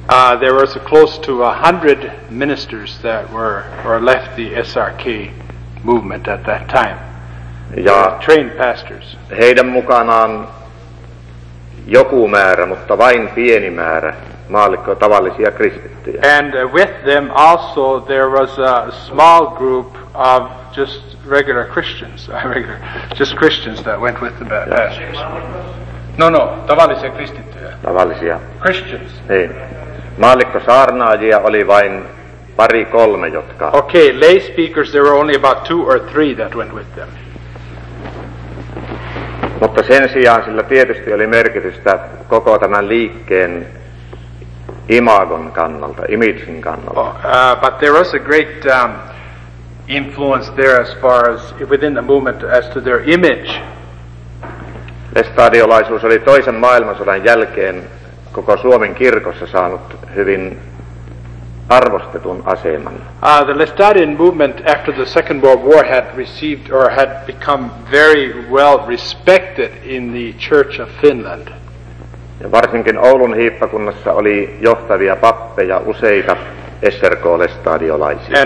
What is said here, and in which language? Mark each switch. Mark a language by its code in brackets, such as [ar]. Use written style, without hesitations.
[en] There was close to 100 ministers that were or left the SRK movement at that time. [fi] Ja [en] trained pastors. [fi] Heidän mukanaan joku määrä, mutta vain pieni määrä maallikko tavallisia kristittyjä. [en] And with them also there was a small group of just regular Christians, just Christians that went with the pastors. [fi] No, tavallisia kristittyjä. Tavallisia. [en] Christians. [fi] Niin. Maallikko saarnaajia oli vain pari kolme, jotka. [en] Okay, lay speakers, there were only about 2 or 3 that went with them. [fi] Mutta sen sijaan sillä tietysti oli merkitystä koko tämän liikkeen imagon kannalta, imagen kannalta. [en] But there was a great influence there as far as within the movement as to their image. [fi] Lestadiolaisuus oli toisen maailmansodan jälkeen koko Suomen kirkossa saanut hyvin arvostetun aseman. [en] The Lestadian movement after the Second World War had received or had become very well respected in the Church of Finland. [fi] Ja varsinkin Oulun hiippakunnassa oli johtavia pappeja useita SRK-lestadiolaisia.